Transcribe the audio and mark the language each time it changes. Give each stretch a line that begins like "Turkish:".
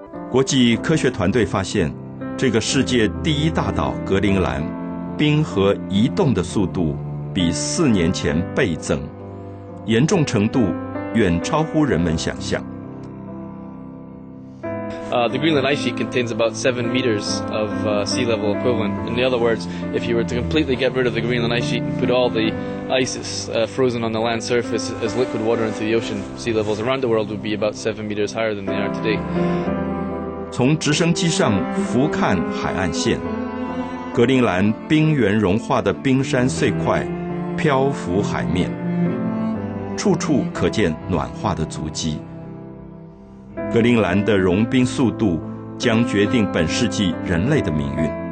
Chinese: 国际科学团队发现，这个世界第一大岛格陵兰，冰河移动的速度比四年前倍增，严重程度远超乎人们想象。
English: The Greenland ice sheet contains about 7 meters of sea level equivalent. In other words, if you were to completely get rid of the Greenland ice sheet and put all the ice that's frozen on the land surface as liquid water into the ocean, sea levels around the world would be about 7 meters higher than they are today.
Chinese: 从直升机上俯瞰海岸线，格陵兰冰原融化的冰山碎块漂浮海面，处处可见暖化的足迹。格陵兰的融冰速度将决定本世纪人类的命运。